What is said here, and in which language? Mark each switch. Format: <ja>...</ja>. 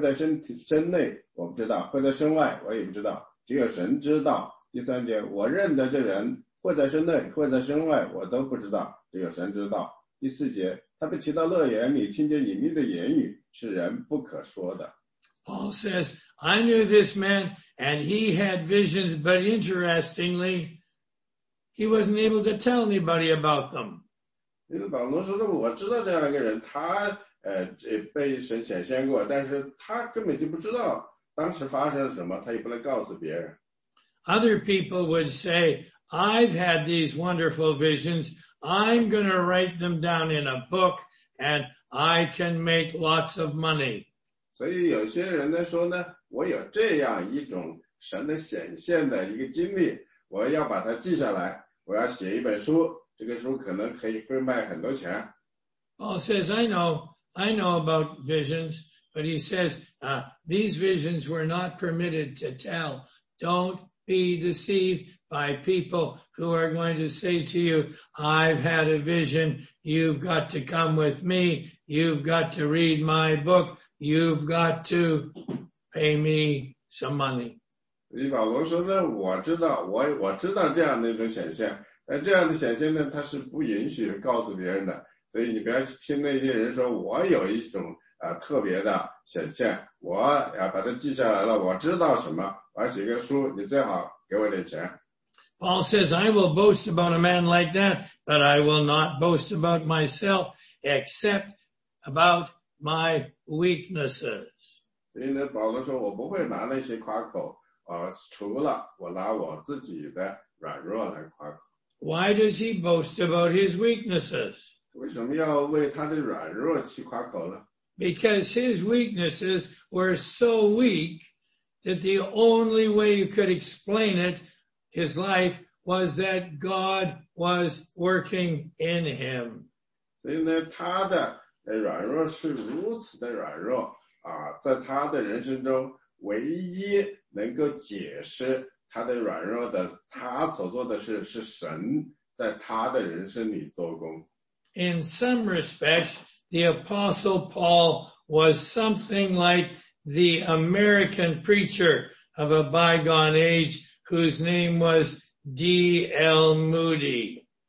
<zh>所以我们他刚读二到四节，我跟他跟大家读一下。第二节，我认识，我认得一个在基督里的人，他前十四年被提到第三层天上去，或在身内，我不知道，或在身外，我也不知道。只有神知道,第三节,我认得这人,或在身内,或在身外,我都不知道,只有神知道,第四节,他被提到乐园里,听见隐秘的言语,是人不可说的。Paul</zh> <en>says, I knew this man, and he had visions, but interestingly, he wasn't able to tell anybody about them.</en> <zh>保罗说的,我知道这样一个人,他被神显现过,但是他根本就不知道。</zh> <en>Other people would say, I've had these wonderful visions. I'm going to write them down in a book and I can make lots of money.</en> <zh>所以有些人呢说呢, 我有这样一种神的显现的一个经历, 我要把它记下来, 我要写一本书, 这个书可能可以会卖很多钱。</zh> <en>Paul says, I know about visions. But he says, these visions were not permitted to tell. Don't be deceived by people who are going to say to you, I've had a vision. You've got to come with me. You've got to read my book. You've got to pay me some money.</en> <zh>以保罗说呢，我知道这样的一种显现，但这样的显现呢，他是不允许告诉别人的，所以你不要听那些人说我有一种特别的显现，我把它记下来了，我知道什么，我写个书，你最好给我点钱。</zh> <en>Paul says, I will boast about a man like that, but I will not boast about myself except about my weaknesses.</en> <zh>所以呢，保罗说，我不会拿那些夸口，除了我拿我自己的软弱来夸口。</zh> <en>Why does he boast about his weaknesses?</en> <zh>为什么要为他的软弱去夸口呢？</zh> <en>Because his weaknesses were so weak that the only way you could explain it, his life, was that God was working in him.</en> <zh>所以呢，他的软弱是如此的软弱啊，在他的人生中，唯一能够解释他的软弱的，他所做的事是神在他的人生里做工。</zh> <en>In some respects,The Apostle Paul was something like the American preacher of a bygone age whose name was D.L. Moody.</en>